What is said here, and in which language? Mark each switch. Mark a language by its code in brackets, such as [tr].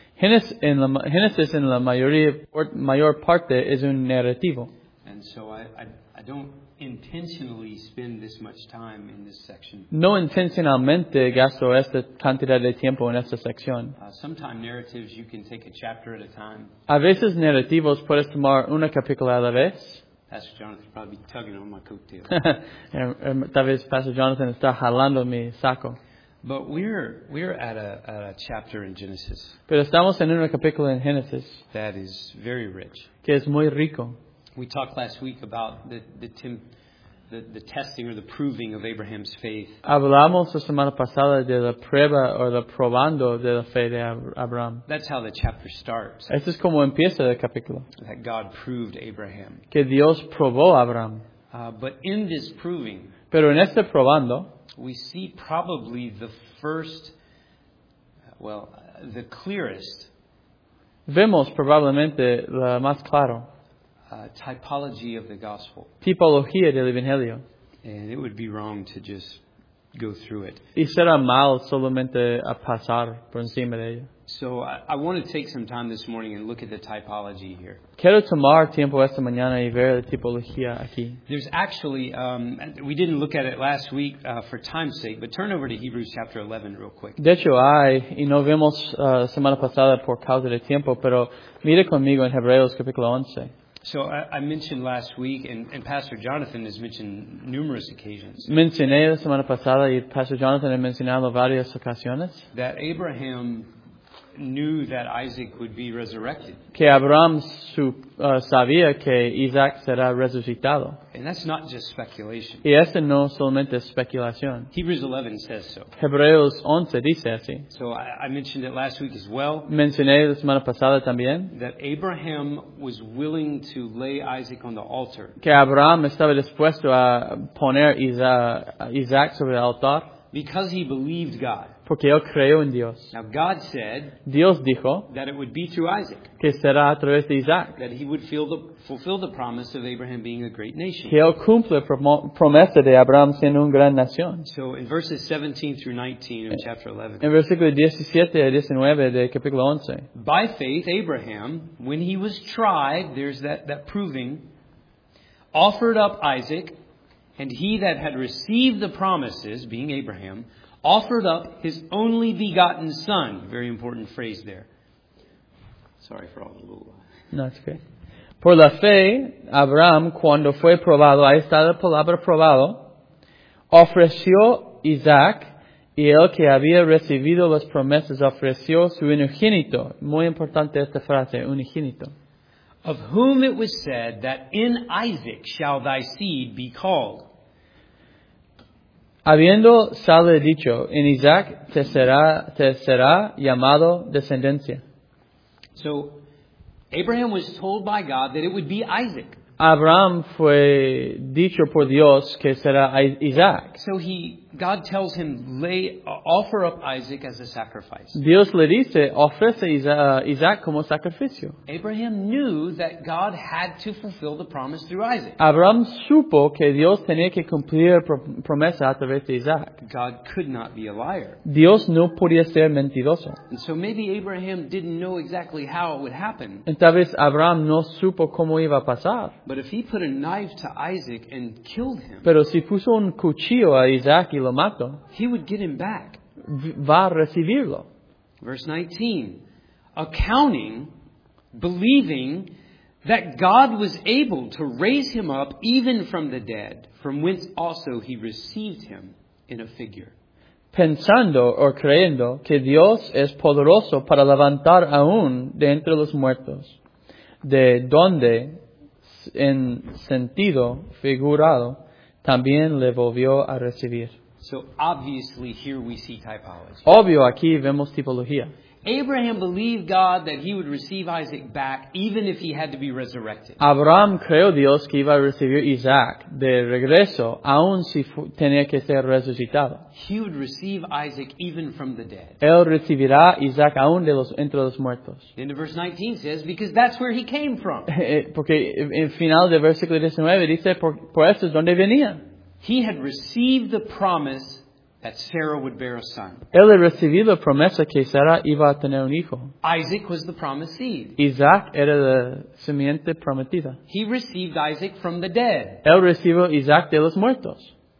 [es] Génesis en la mayor parte es un narrativo. [en] And so I don't intentionally spend this much time in this section. [es] No intencionalmente gasto esta cantidad de tiempo en esta sección. [en] Sometimes narratives you can take a chapter at a time. [es] A veces narrativos puedes tomar una capítulo a la vez. [en] Pastor Jonathan is probably tugging on my coattail. [es] Tal vez Pastor Jonathan está jalando mi saco. [en] But we're at a chapter in Genesis. [es] Pero estamos en un capítulo en Génesis. [en] That is very rich. [es] Que es muy rico. [en] We talked last week about the testing or the proving of Abraham's faith. [es] Hablamos la semana pasada de la prueba o la probando de la fe de Abraham. [en] That's how the chapter starts. [es] Eso es como empieza el capítulo. [en] That God proved Abraham. [es] Que Dios probó a Abraham. [en] But in this proving, [es] pero en este probando, [en] we see probably the first, the clearest. [es] Vemos probablemente la más claro. [en] Typology of the gospel. [es] Tipología del evangelio. [en] And it would be wrong to just go through it. [es] Y será mal solamente a pasar por encima de ello. [en] So I want to take some time this morning and look at the typology here. [es] Quiero tomar tiempo esta mañana y ver la tipología aquí. [en] There's actually, we didn't look at it last week for time's sake, but turn over to Hebrews chapter 11 real quick. [es] De hecho hay, y no vemos semana pasada por causa de tiempo, pero mire conmigo en Hebreos capítulo 11. [en] So I mentioned last week, and Pastor Jonathan has mentioned numerous occasions. [es] Mencioné la semana pasada y Pastor Jonathan ha mencionado varias ocasiones. [en] That Abraham knew that Isaac would be resurrected. [es] Que Abraham sabía que Isaac será resucitado. [en] And that's not just speculation. [es] Y esto no solamente es especulación. [en] Hebrews 11 says so. [es] Hebreos 11 dice así. [en] So I mentioned it last week as well. [es] Mencioné la semana pasada también. [en] That Abraham was willing to lay Isaac on the altar. [es] Que Abraham estaba dispuesto a poner Isaac sobre el altar. [en] Because he believed God. [es] Porque él creyó en Dios. [en] Now God said, [es] Dios dijo, [en] that it would be through Isaac, [es] que será a través de Isaac, [en] that he would fulfill the promise of Abraham being a great nation. [es] Que él cumple promesa de Abraham siendo una gran nación. [en] So in verses 17 through 19 of chapter 11, [es] en versículo 17 a 19 de capítulo 11, [en] by faith Abraham, when he was tried, there's that proving, offered up Isaac, and he that had received the promises, being Abraham, offered up his only begotten son. Very important phrase there. Sorry for all the little. No, it's okay. [es] Por la fe, Abraham, cuando fue probado, ahí está la palabra probado, ofreció Isaac, y el que había recibido las promesas ofreció su unigénito. Muy importante esta frase, unigénito. [en] Of whom it was said that in Isaac shall thy seed be called. [es] Habiendo sale dicho, en Isaac te será llamado descendencia. [en] So, Abraham was told by God that it would be Isaac. [es] Abraham fue dicho por Dios que será Isaac. [en] So he God tells him, lay, offer up Isaac as a sacrifice. [es] Dios le dice, ofrece Isaac como sacrificio. [en] Abraham knew that God had to fulfill the promise through Isaac. [es] Abraham supo que Dios tenía que cumplir promesa a través de Isaac. [en] God could not be a liar. [es] Dios no podía ser mentiroso. [en] And so maybe Abraham didn't know exactly how it would happen. [es] Y tal vez Abraham no supo cómo iba a pasar. [en] But if he put a knife to Isaac and killed him, [es] pero si puso un cuchillo a Isaac, [en] he would get him back. [es] Va a recibirlo. [en] Verse 19. Accounting, believing that God was able to raise him up even from the dead, from whence also he received him in a figure. [es] Pensando o creyendo que Dios es poderoso para levantar aún de entre los muertos, de donde, en sentido figurado, también le volvió a recibir. [en] So obviously here we see typology. [es] Obvio, aquí vemos tipología. [en] Abraham believed God that he would receive Isaac back even if he had to be resurrected. [es] Abraham creyó Dios que iba a recibir Isaac de regreso aun si tenía que ser resucitado. [en] He would receive Isaac even from the dead. [es] Él recibirá Isaac aun de los entre los muertos. [en] Then the verse 19 says, because that's where he came from. [es] Porque en final del versículo 19 dice, por eso es donde venía. [en] He had received the promise that Sarah would bear a son. [es] Él había recibido la promesa que Sara iba a tener un hijo. [en] Isaac was the promised seed. [es] Isaac era la simiente prometida. [en] He received Isaac from the dead. [es] Él recibió Isaac de los muertos.